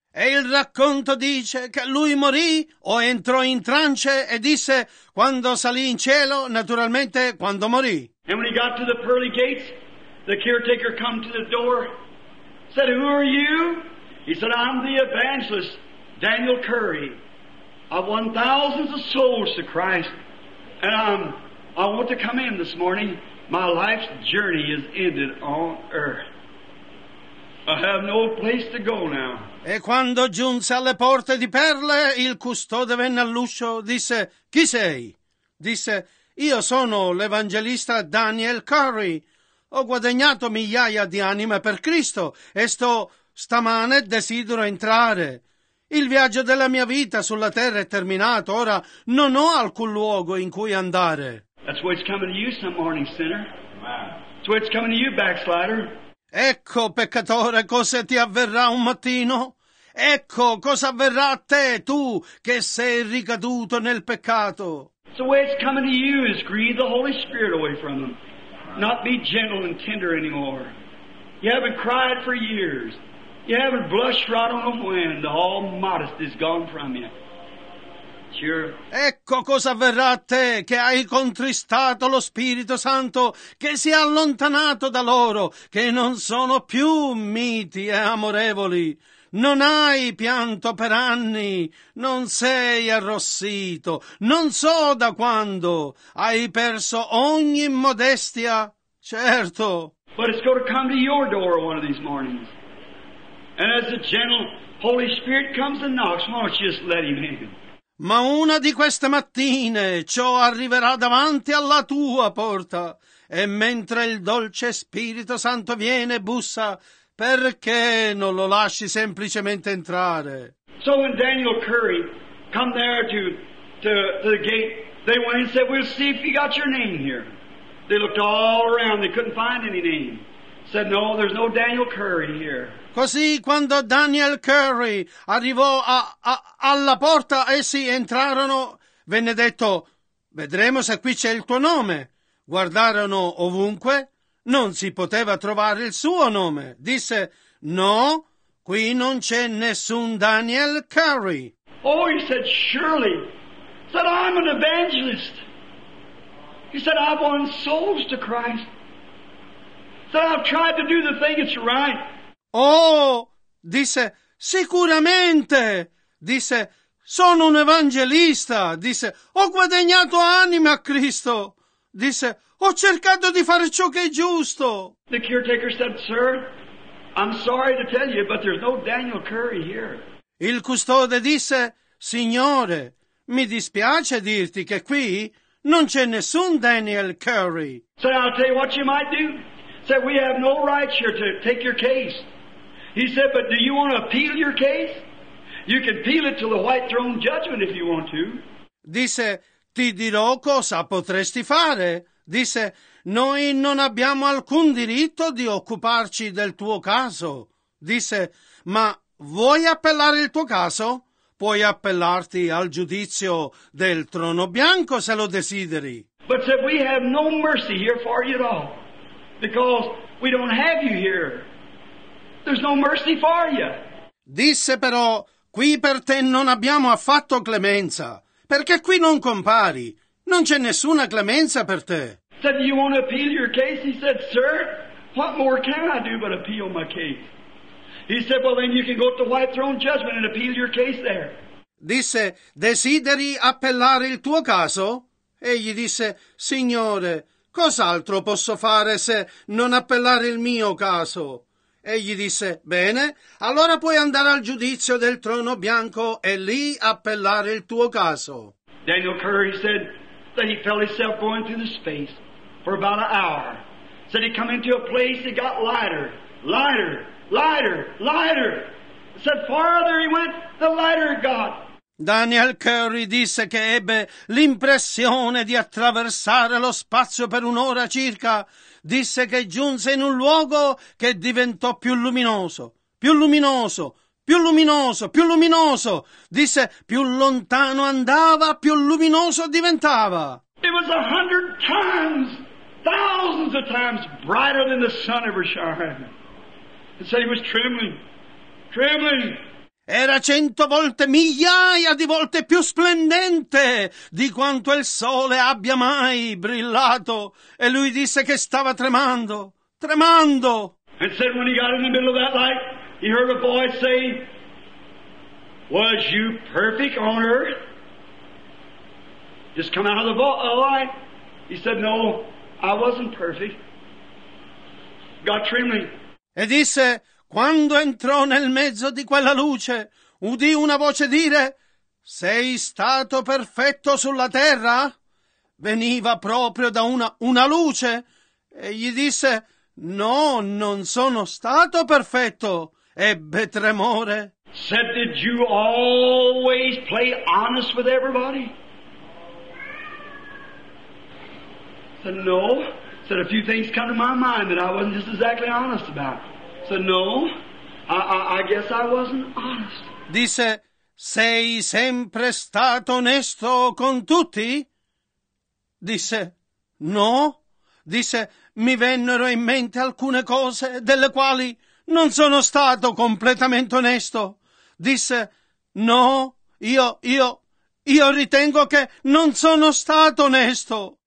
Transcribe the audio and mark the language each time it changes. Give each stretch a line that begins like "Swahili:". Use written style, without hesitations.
Italian: E il racconto dice che lui morì o entrò in trance e disse quando salì in cielo, naturalmente quando morì.
English: And when he got to the pearly gates, the caretaker come to the door, said, who are you? He said, I'm the evangelist, Daniel Curry. I've won thousands of souls to Christ, and I want to come in this morning. My life's journey is ended on earth. I have no place to go now.
Italian: E quando giunse alle porte di perle, il custode venne all'uscio, disse, chi sei? Disse, io sono l'evangelista Daniel Curry. Ho guadagnato migliaia di anime per Cristo e sto stamane desidero entrare. Il viaggio della mia vita sulla terra è terminato, ora non ho alcun luogo in cui andare.
English: That's what's coming to you some morning, sinner. That's what's coming to you, backslider.
Italian: Ecco, peccatore, cosa ti avverrà un mattino? Ecco, cosa avverrà a te, tu, che sei ricaduto nel peccato?
English: So the way it's coming to you is grieve the Holy Spirit away from them. Not be gentle and tender anymore. You haven't cried for years. You haven't blushed right on the wind. All modesty is gone from you.
Italian: Ecco cosa avverrà a te che hai contristato lo Spirito Santo, che si è allontanato da loro, che non sono più miti e amorevoli. Non hai pianto per anni, non sei arrossito, non so da quando, hai perso ogni modestia, certo.
English: But it's going to come to your door one of these mornings. And as the gentle Holy Spirit comes and knocks, why don't you just let him in?
Italian: Ma una di queste mattine ciò arriverà davanti alla tua porta e mentre il dolce Spirito Santo viene e bussa, perché non lo lasci semplicemente entrare?
English: So when Daniel Curry come there to the gate, they went and said, we'll see if you got your name here. They looked all around, they couldn't find any name. Said, no, there's no Daniel Curry here.
Italian: Così quando Daniel Curry arrivò alla porta, essi entrarono, venne detto, vedremo se qui c'è il tuo nome. Guardarono ovunque, non si poteva trovare il suo nome. Disse, no, qui non c'è nessun Daniel Curry.
English: Oh, he said, surely. He said, I'm an evangelist. He said, I've won souls to Christ. He said, I've tried to do the thing that's right.
Italian: Oh, disse, sicuramente, disse, sono un evangelista, disse, ho guadagnato anime a Cristo, disse, ho cercato di fare ciò che è giusto.
English: The caretaker said, sir, I'm sorry to tell you, but there's no Daniel Curry here.
Italian: Il custode disse, signore, mi dispiace dirti che qui non c'è nessun Daniel Curry.
English: Say, I'll tell you what you might do. Say, we have no right here to take your case. He said, but do you want to appeal your case? You can appeal it to the white throne judgment if you want to.
Italian: Disse, ti dirò cosa potresti fare. Disse, noi non abbiamo alcun diritto di occuparci del tuo caso. Disse, ma vuoi appellare il tuo caso? Puoi appellarti al giudizio del trono bianco se lo desideri.
English: But said, we have no mercy here for you at all. Because we don't have you here. There's no mercy for you.
Italian: Disse però, qui per te non abbiamo affatto clemenza, perché qui non compari. Non c'è nessuna clemenza per te.
English: Said, you want to appeal your case? He said, sir, what more can I do but appeal my case? He said, well then you can go to the white throne judgment and appeal your case there.
Italian: Disse, desideri appellare il tuo caso? Egli disse, signore, cos'altro posso fare se non appellare il mio caso? Egli disse, bene, allora puoi andare al giudizio del trono bianco e lì appellare il tuo caso.
English: Daniel Curry said that he felt himself going through the space for about an hour. Said he come into a place that got lighter, lighter, lighter, lighter. Said farther he went, the lighter it got.
Italian: Daniel Curry disse che ebbe l'impressione di attraversare lo spazio per un'ora circa. Disse che giunse in un luogo che diventò più luminoso, più luminoso, più luminoso, più luminoso. Disse, più lontano andava, più luminoso diventava.
English: It was 100 times, thousands of times brighter than the sun ever shined. And so he was trembling, trembling.
Italian: Era 100 volte, migliaia di volte più splendente di quanto il sole abbia mai brillato. E lui disse che stava tremando, tremando.
English: And said when he got in the middle of that light, he heard a voice say, was you perfect on earth? Just come out of the light. He said, no, I wasn't perfect. Got trembling.
Italian: E disse, quando entrò nel mezzo di quella luce, udì una voce dire, sei stato perfetto sulla terra? Veniva proprio da una luce. E gli disse, no, non sono stato perfetto. Ebbe tremore.
English: Said, did you always play honest with everybody? Said, no. Said, a few things come to my mind that I wasn't just exactly honest about. Said, no, I guess I wasn't honest.
Italian: Disse, sei sempre stato onesto con tutti? Disse, no. Disse, mi vennero in mente alcune cose delle quali non sono stato completamente onesto. Disse, no, io ritengo che non sono stato onesto.